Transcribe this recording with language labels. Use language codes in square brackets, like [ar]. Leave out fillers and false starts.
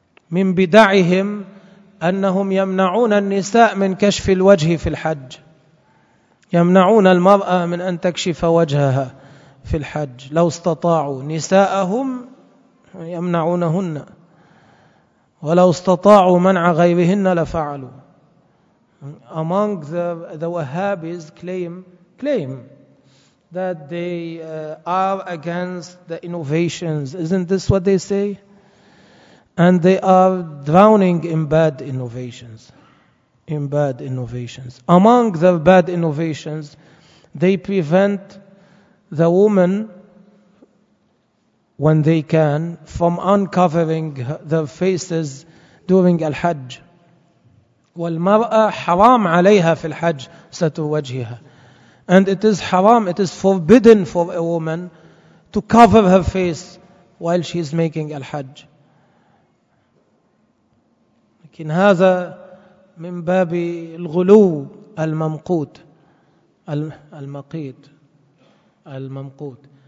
[ar] من بدعهم أنهم يمنعون النساء من كشف الوجه في الحج، يمنعون المرأة من أن تكشف وجهها في الحج لو استطاعوا، نساءهم يمنعونهن، ولو استطاعوا منع غيرهن لفعلوا. [en] Among the Wahhabis claim that they are against the innovations. Isn't this what they say? And they are drowning in bad innovations. In bad innovations. Among the bad innovations, they prevent the woman, when they can, from uncovering their faces during al-hajj. [ar] والمرأة حرام عليها في الحج ستر وجهها. [en] And it is haram, it is forbidden for a woman to cover her face while she is making al-hajj. [ar] لكن هذا من باب الغلو الممقوت المقيت الممقوت.